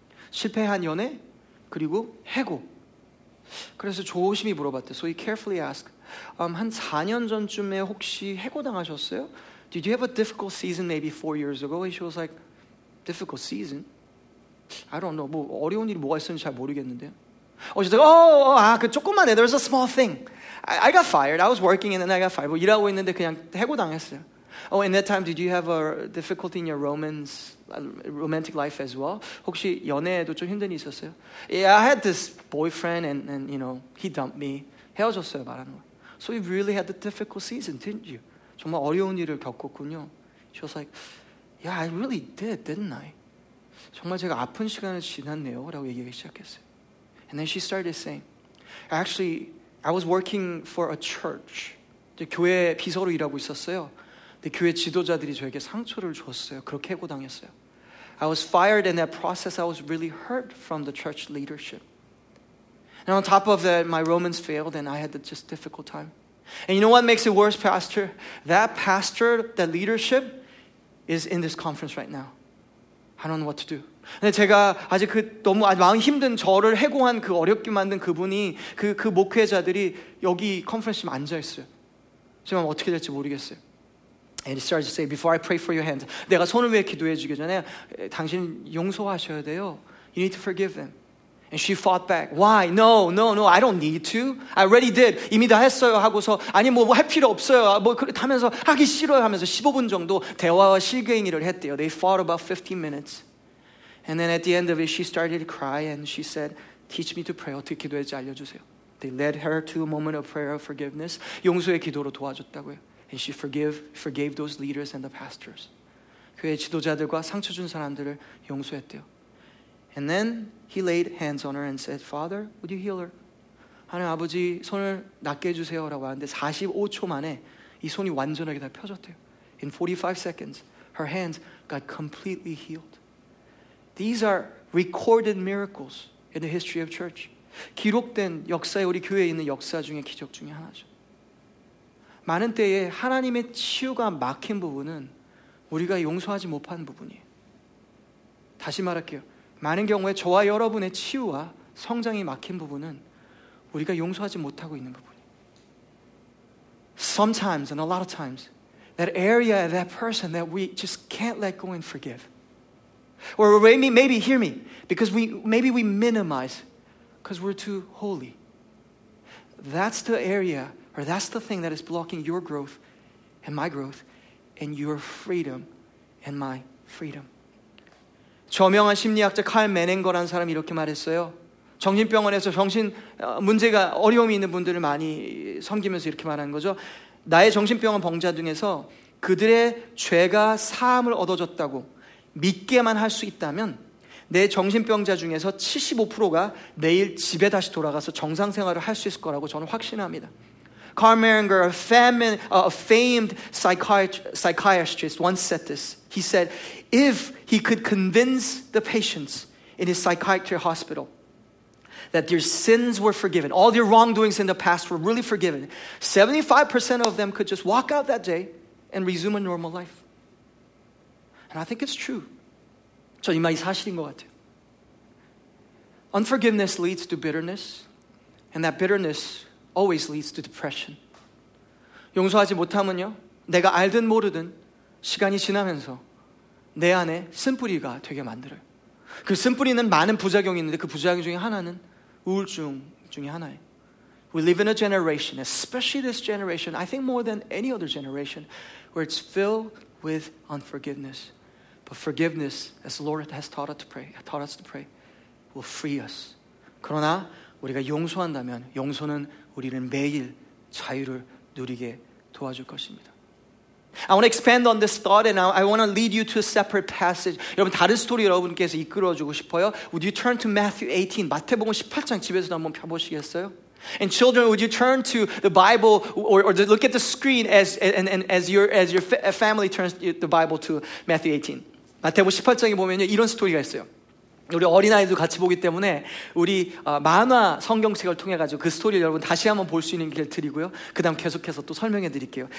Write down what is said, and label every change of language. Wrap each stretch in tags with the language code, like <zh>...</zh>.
<ko>실패한 연애 그리고 해고. 그래서 조심히 물어봤대.</ko> <en>So he carefully asked, 한 4년 전쯤에 혹시 해고당하셨어요? Did you have a difficult season maybe 4 years ago? And she was like, difficult season? I don't know.</en> <ko>뭐 어려운 일이 뭐가 있었는지 잘 모르겠는데.</ko> <en>She's like, oh,</en> <ko>조금만 해.</ko> <en>There's a small thing. I got fired. I was working and then I got fired.</en> <ko>뭐 일하고 있는데 그냥 해고당했어요.</ko> <en>Oh, in that time, did you have a difficulty in your romantic life as well?</en> <ko>혹시 연애에도 좀 힘든 일 있었어요?</ko> <en>Yeah, I had this boyfriend, and you know, he dumped me.</en> <ko>헤어졌어요, 말하는 거.</ko> <en>So you really had a difficult season, didn't you?</en> <ko>정말 어려운 일을 겪었군요.</ko> <en>She was like, yeah, I really did, didn't I?</en> <ko>정말 제가 아픈 시간을 지났네요, 라고 얘기하기 시작했어요.</ko> <en>And then she started saying, actually, I was working for a church.</en> <ko>교회 비서로 일하고 있었어요. 교회 지도자들이 저에게 상처를 줬어요. 그렇게 해고당했어요.</ko> <en>I was fired in that process. I was really hurt from the church leadership. And on top of that, my romance failed and I had just a difficult time. And you know what makes it worse, Pastor? That pastor, that leadership is in this conference right now. I don't know what to do.</en> <ko>근데 제가 아직 그 너무 마음 힘든 저를 해고한 그 어렵게 만든 그분이 그 목회자들이 여기 컨퍼런스에 앉아있어요. 지금 어떻게 될지 모르겠어요.</ko> <en>And he starts to say, before I pray for your hands,</en> <ko>내가 손을 위해 기도해 주기 전에 당신 용서하셔야 돼요.</ko> <en>You need to forgive them. And she fought back. Why? No, no, no. I don't need to. I already did.</en> <ko>이미 다 했어요 하고서 아니 뭐 할 필요 없어요. 뭐 그렇게 하면서 하기 싫어요 하면서 15분 정도 대화와 실갱이를 했대요.</ko> <en>They fought about 15 minutes. And then at the end of it, she started to cry and she said, teach me to pray.</en> <ko>어떻게 기도해야지 알려주세요.</ko> <en>They led her to a moment of prayer of forgiveness.</en> <ko>용서의 기도로 도와줬다고요.</ko> <en>And she forgave those leaders and the pastors.</en> <ko>교회 지도자들과 상처 준 사람들을 용서했대요.</ko> <en>And then he laid hands on her and said, Father, would you heal her?</en> <ko>하나님 아버지 손을 낫게 해주세요 라고 하는데 45초 만에 이 손이 완전하게 다 펴졌대요.</ko> <en>In 45 seconds, her hands got completely healed. These are recorded miracles in the history of church.</en> <ko>기록된 역사에 우리 교회에 있는 역사 중에 기적 중에 하나죠. 많은 때에 하나님의 치유가 막힌 부분은 우리가 용서하지 못한 부분이에요. 다시 말할게요. 많은 경우에 저와 여러분의 치유와 성장이 막힌 부분은 우리가 용서하지 못하고 있는 부분이에요.</ko> <en>Sometimes and a lot of times, that area, that person that we just can't let go and forgive. Or maybe, hear me, because we minimize because we're too holy. That's the area, or that's the thing that is blocking your growth and my growth and your freedom and my freedom.</en> <ko>저명한 심리학자 칼 메넨거라는 사람이 이렇게 말했어요. 정신병원에서 정신 문제가 어려움이 있는 분들을 많이 섬기면서 이렇게 말한 거죠. 나의 정신병원 병자 중에서 그들의 죄가 사함을 얻어졌다고 믿게만 할 수 있다면 내 정신병자 중에서 75%가 내일 집에 다시 돌아가서 정상생활을 할 수 있을 거라고 저는 확신합니다.</ko> <en>Carl Menger, a famed psychiatrist, once said this. He said, if he could convince the patients in his psychiatric hospital that their sins were forgiven, all their wrongdoings in the past were really forgiven, 75% of them could just walk out that day and resume a normal life. And I think it's true.</en> <ko>저 이 말이 사실인 것 같아요.</ko> <en>Unforgiveness leads to bitterness, and that bitterness always leads to depression.</en> <ko>용서하지 못하면요, 내가 알든 모르든 시간이 지나면서 내 안에 쓴뿌리가 되게 만들어요. 그 쓴뿌리는 많은 부작용이 있는데 그 부작용 중에 하나는 우울증 중에 하나예요.</ko> <en>We live in a generation, especially this generation, I think more than any other generation, where it's filled with unforgiveness. But forgiveness, as the Lord has taught us to pray, will free us.</en> <ko>그러나 우리가 용서한다면 용서는 우리는 매일 자유를 누리게 도와줄 것입니다.</ko> <en>I want to expand on this thought and I want to lead you to a separate passage.</en> <ko>여러분 다른 스토리 여러분께서 이끌어주고 싶어요.</ko> <en>Would you turn to Matthew 18,</en> <ko>마태복음 18장 집에서도 한번 펴보시겠어요?</ko> <en>And children, would you turn to the Bible or look at the screen as your family turns the Bible to Matthew 18.</en> <ko>마태복음 18장에 보면요, 이런 스토리가 있어요. 우리 어린아이도 같이 보기 때문에 우리 만화 성경책을 통해가지고 그 스토리를 여러분 다시 한번 볼 수 있는 길을 드리고요. 그 다음 계속해서 또 설명해 드릴게요.</ko>